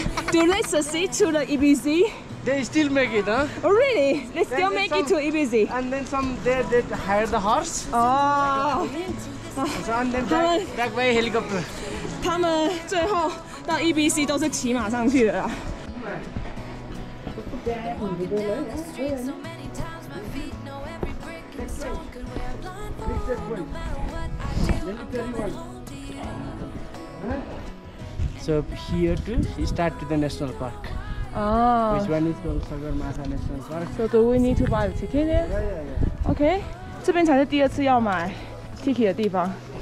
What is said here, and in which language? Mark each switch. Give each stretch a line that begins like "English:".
English: Do they succeed to the EBC? They still make it, huh? Oh, really? They still make it to EBC. And then some there, they hire the horse. Oh. And then back by helicopter.
Chinese: 他们最后到 EBC 都是骑马上去的啦。
English: So here to start to the national park. Oh. Which one is called Sagarmatha National Park? So do we need to buy the ticket? Yeah. Okay.
Chinese: 这边才是第二次要买 ticket 的地方。